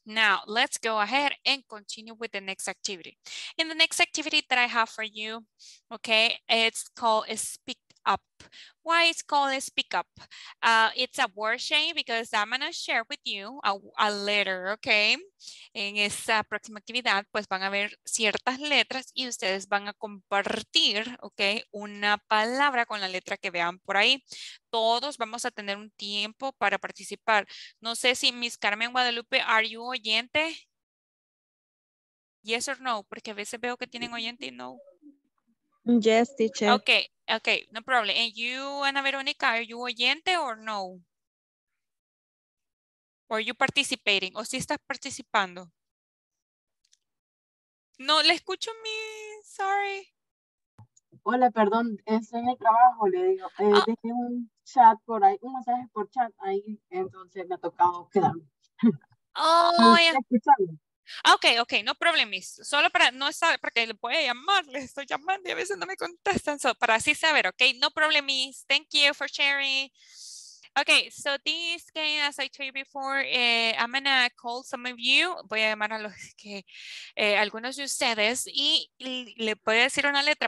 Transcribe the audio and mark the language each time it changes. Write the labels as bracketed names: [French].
[English] Now, let's go ahead and continue with the next activity. In the next activity that I have for you, okay, it's called Speak Up. Why it's called Speak Up? It's a word chain because I'm gonna share with you a letter, okay? [Spanish] En esa próxima actividad, pues van a ver ciertas letras y ustedes van a compartir, okay, una palabra con la letra que vean por ahí. Todos vamos a tener un tiempo para participar. No sé si Miss Carmen Guadalupe, are you oyente? Yes or no, porque a veces veo que tienen oyente y no. [English] Yes, teacher. Okay. Okay, no problem. And you, Ana Veronica, are you oyente or no? Or are you participating? ¿O si estás participando? [Spanish] No, le escucho a mí. Sorry. Hola, perdón. Estoy en el trabajo, le digo. Dejé un chat por ahí, un mensaje por chat ahí. Entonces me ha tocado quedarme. Oh, escuchando. Ok, no problemis. Solo para no saber, porque le voy a llamar, le estoy llamando y a veces no me contestan. [English] So, para así saber, ok, no problemis. Thank you for sharing. Ok, so this game, as I told you before, I'm going to call some of you. [Spanish] Voy a llamar a los que, algunos de ustedes, y le voy a decir una letra.